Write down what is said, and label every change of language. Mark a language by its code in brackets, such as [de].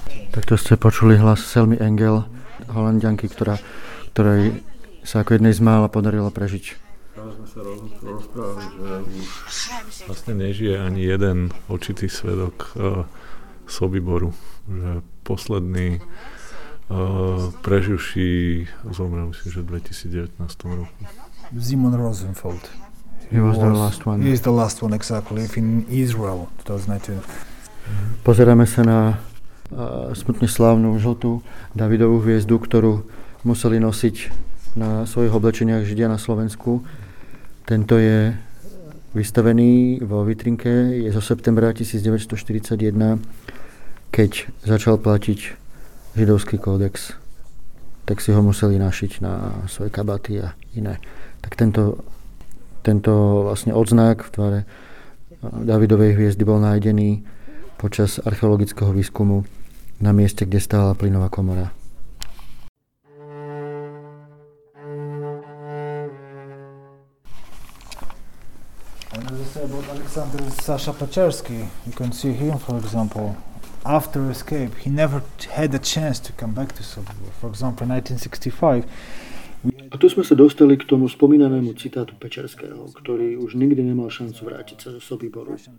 [sk] Takto ste počuli hlas Selmy Engel, Holandianky, ktorej sa ako jednej z mála podarilo prežiť. Sme sa rozprávali, že už vlastne nežije ani jeden očitý svedok Sobiboru. Že posledný preživší zomrel, myslím, že v 2019 roku. Simon Rosenfeld. [en] He is the last one, exactly, in Israel, 2019. [sk] Pozeráme sa na smutne slávnu žltú Davidovú hviezdu, ktorú museli nosiť na svojich oblečeniach Židia na Slovensku. Tento je vystavený vo vitrinke, je zo septembra 1941, keď začal platiť židovský kódex. Tak si ho museli našiť na svoje kabaty a iné. Tak tento vlastne odznak v tvare Davidovej hviezdy bol nájdený počas archeologického výskumu na mieste, kde stála plynová komora. [en] And as I said about Alexander Sasha Pacherski, you can see him, for example, after escape, he never had a chance to come back to Sobibor. For example, 1965. [sk] A tu sme sa dostali k tomu spomínanému citátu Pečerského, ktorý už nikdy nemal šancu vrátiť sa do Sobiboru.